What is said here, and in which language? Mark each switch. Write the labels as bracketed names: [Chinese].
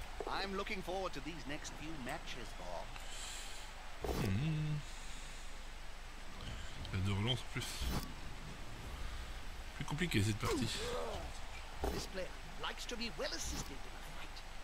[English] I'm looking forward to these next few matches, Bob. [French] Il y a deux relances plus compliquées cette partie. [English] This player likes to be well assisted in a fight.